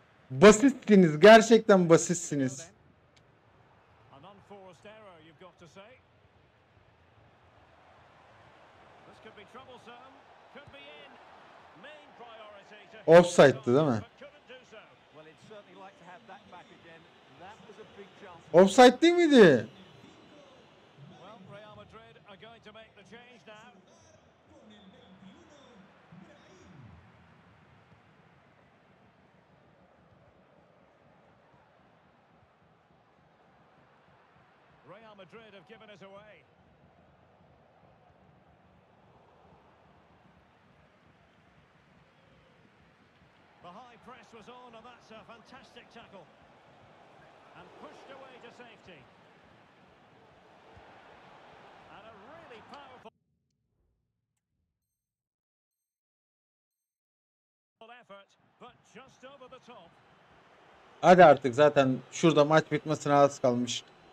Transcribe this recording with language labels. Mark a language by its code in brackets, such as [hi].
[tr] Basitsiniz, gerçekten basitsiniz. [en] An unforced error, you've got to say. This could be troublesome. Could be in. Main priority. [tr] Offside'dı değil mi? [en] Well, it'd certainly like to have that back again. That was a big chance. [tr] Offside değil miydi? [en] Well, Real Madrid are going to make the change now. Real Madrid have given us away. The high press was on, and that's a fantastic tackle. And pushed away to safety. And a really powerful effort, but just over the top. [tr] Hadi artık zaten şurada maç bitmesine az kalmış.